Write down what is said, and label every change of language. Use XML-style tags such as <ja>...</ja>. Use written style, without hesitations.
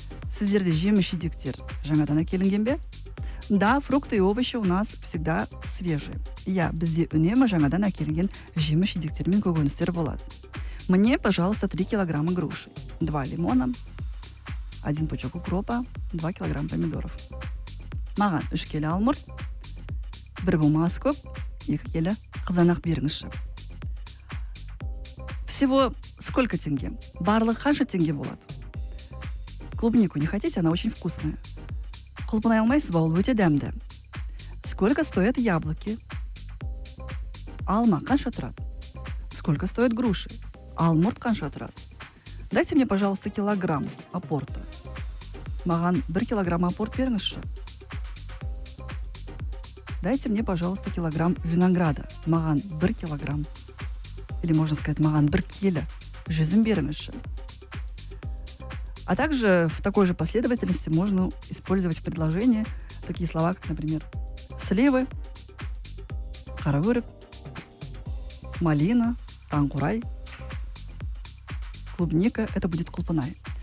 <kk>Сіздерде жеміс жидектер жаңадан әкелінген бе?</kk> <ru>Да, фрукты и овощи у нас всегда свежие.</ru> <kk>Я бізде үнемі жаңадан әкелген жеміс жидектер мен көкөністер болады.</kk> <ru>Мне, пожалуйста, 3 килограмма груши, 2 лимона, 1 пучок укропа, 2 килограмма помидоров.</ru> <kk>Маған 3 келі алмұрт, 1 бумаску, 2 келі қызанақ беріңізші.</kk> <ru>Всего сколько тенге?</ru> <kk>Барлық қанша тенге болады?</kk> <ru>Клубнику не хотите? Она очень вкусная.</ru> <kk>Құлпынай алмайсыз ба, ол өте дәмді.</kk> <ru>Сколько стоят яблоки?</ru> <kk>Алма қанша тұрады?</kk> <ru>Сколько стоят груши?</ru> <kk>Алмұрт қанша тұрады?</kk> <ru>Дайте мне, пожалуйста, килограмм апорта.</ru> <kk>Маған 1 килограмм апорт беріңізші.</kk> <ru>Дайте мне, пожалуйста, килограмм винограда.</ru> <kk>Маған 1 килограмм.</kk> <ru>Или можно сказать,</ru> <kk>маған 1 келі жүзім беріңізші.</kk> <ru>А также в такой же последовательности можно использовать в предложении такие слова, как, например, сливы, каравырык, малина, тангурай, клубника, это будет кулпынай.</ru>